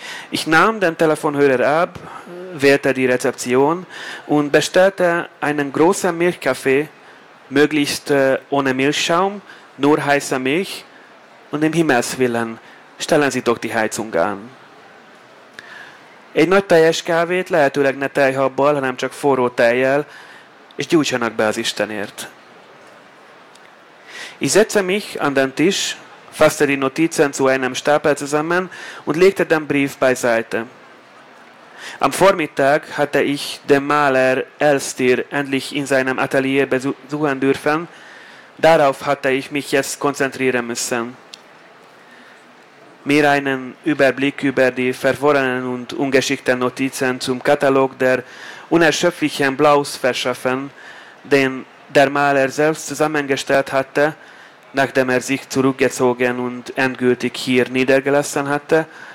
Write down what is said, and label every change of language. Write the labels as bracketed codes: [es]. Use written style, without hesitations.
[de] Ich nahm den Telefonhörer ab, wählte die Rezeption und bestellte einen großen Milchkaffee, möglichst ohne Milchschaum, nur heiße Milch, und im Himmelswillen, stellen Sie doch die Heizung an. [hu] Egy nagy teljes kávét, lehetőleg ne tejhabbal, hanem csak forró tejjel, és gyújtsanak be az Istenért. [de] Ich setzte mich an den Tisch, fasste die Notizen zu einem Stapel zusammen und legte den Brief beiseite. Am Vormittag hatte ich den Maler Elstir endlich in seinem Atelier besuchen dürfen. Darauf hatte ich mich jetzt konzentrieren müssen. Mir einen Überblick über die verworrenen und ungeschickten Notizen zum Katalog der unerschöpflichen Blaus verschaffen, den der Maler selbst zusammengestellt hatte, nachdem er sich zurückgezogen und endgültig hier niedergelassen hatte.